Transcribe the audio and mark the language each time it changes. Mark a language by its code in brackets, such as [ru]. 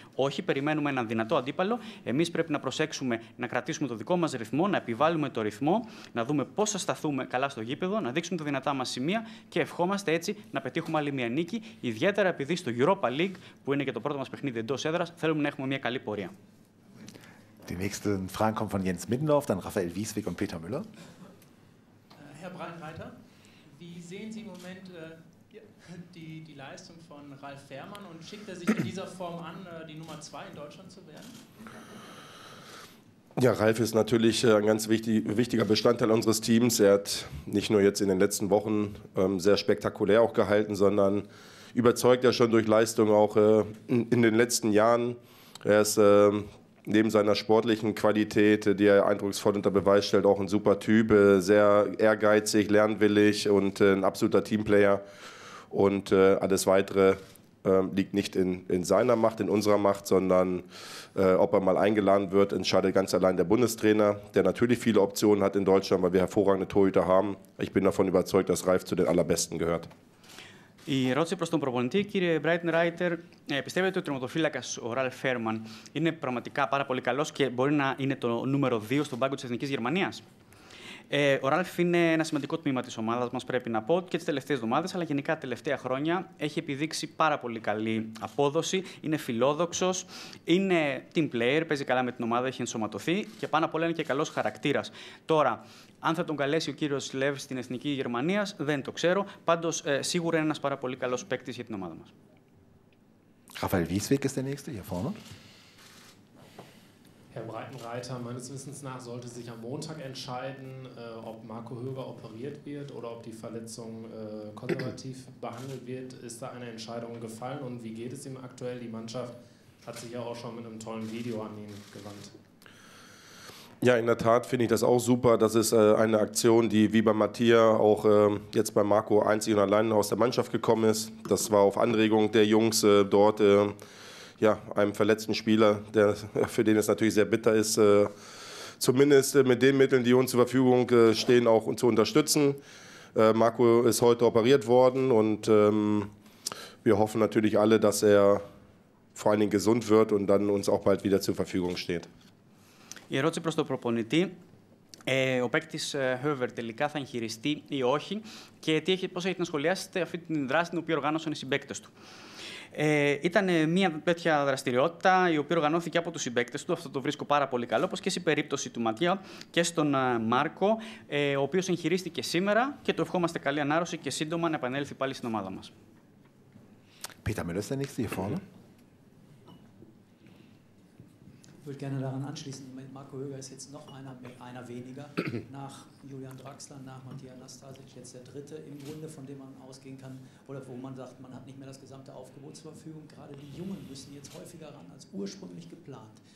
[el] Όχι, περιμένουμε έναν δυνατό αντίπαλο. Εμείς πρέπει να προσέξουμε να κρατήσουμε το δικό μας ρυθμό, να επιβάλλουμε το ρυθμό, να δούμε πώς θα σταθούμε καλά στο γήπεδο, να δείξουμε τα δυνατά μας σημεία και ευχόμαστε έτσι να πετύχουμε άλλη μια νίκη. Ιδιαίτερα επειδή στο Europa League, που είναι και το πρώτο μας παιχνίδι εντός έδρας, θέλουμε να έχουμε μια καλή πορεία. [de] Die nächsten Fragen kommen von Jens Middendorf, dann Raphael Wieswig und Peter Müller. Herr Breitenreiter, wie sehen Sie im Moment die Leistung von Ralf Fährmann und schickt er sich in dieser Form an, die Nummer 2 in Deutschland zu werden? Ja, Ralf ist natürlich ein ganz wichtiger Bestandteil unseres Teams. Er hat nicht nur jetzt in den letzten Wochen sehr spektakulär auch gehalten, sondern überzeugt er schon durch Leistung auch in den letzten Jahren. Er ist neben seiner sportlichen Qualität, die er eindrucksvoll unter Beweis stellt, auch ein super Typ, sehr ehrgeizig, lernwillig und ein absoluter Teamplayer. Und alles Weitere liegt nicht in seiner Macht, in unserer Macht, sondern ob er mal eingeladen wird, entscheidet ganz allein der Bundestrainer, der natürlich viele Optionen hat in Deutschland, weil wir hervorragende Torhüter haben. Ich bin davon überzeugt, dass Ralf zu den Allerbesten gehört. [el] Η ερώτηση προς τον προπονητή, κύριε Breitenreiter, πιστεύετε ότι ο τερματοφύλακας ο Ralf Fährmann είναι πραγματικά πάρα πολύ καλός και μπορεί να είναι το νούμερο 2 στον πάγκο της Εθνικής Γερμανίας? Ο Ralf είναι ένα σημαντικό τμήμα της ομάδας μας, πρέπει να πω, και τις τελευταίες εβδομάδες, αλλά γενικά τα τελευταία χρόνια έχει επιδείξει πάρα πολύ καλή απόδοση. Είναι φιλόδοξος, είναι team player, παίζει καλά με την ομάδα, έχει ενσωματωθεί και πάνω απ' όλα είναι και καλός χαρακτήρας. Τώρα, αν θα τον καλέσει ο κύριος Λεύ στην Εθνική Γερμανίας, δεν το ξέρω. Πάντως, σίγουρα είναι ένας πάρα πολύ καλός παίκτης για την ομάδα μας. [de] Raphael Wieswig ist der nächste, hier vorne. Herr Breitenreiter, meines Wissens nach sollte sich am Montag entscheiden, ob Marco Höger operiert wird oder ob die Verletzung konservativ behandelt wird. Ist da eine Entscheidung gefallen und wie geht es ihm aktuell? Die Mannschaft hat sich ja auch schon mit einem tollen Video an ihn gewandt. Ja, in der Tat finde ich das auch super. Das ist eine Aktion, die wie bei Mattia auch jetzt bei Marco einzig und allein aus der Mannschaft gekommen ist. Das war auf Anregung der Jungs dort. Ja, einem verletzten Spieler, für den es natürlich sehr bitter ist, zumindest mit den Mitteln, die uns zur Verfügung stehen, auch zu unterstützen. Marco ist heute operiert worden und wir hoffen natürlich alle, dass er vor allen Dingen gesund wird und dann uns auch bald wieder zur Verfügung steht. Die Frage an den Proponenten. [el] Ο παίκτης Höver τελικά θα εγχειριστεί ή όχι και πώς έχετε να σχολιάσετε αυτή την δράση την οποία οργάνωσαν οι συμπαίκτες του? Ήταν μια τέτοια δραστηριότητα η οποία οργανώθηκε από τους συμπαίκτες του. Αυτό το βρίσκω πάρα πολύ καλό, όπως και στην περίπτωση του Ματία και στον Μάρκο, ο οποίος εγχειρίστηκε σήμερα και του ευχόμαστε καλή ανάρρωση και σύντομα να επανέλθει πάλι στην ομάδα μας. Πείτε με, λες, δεν έχεις τηλεφώνο. [de] Ich würde gerne daran anschließen. Marco Höger ist jetzt noch einer weniger nach Julian Draxler, nach Matija Nastasic, jetzt der dritte im Grunde, von dem man ausgehen kann oder wo man sagt, man hat nicht mehr das gesamte Aufgebot zur Verfügung. Gerade die Jungen müssen jetzt häufiger ran als ursprünglich geplant.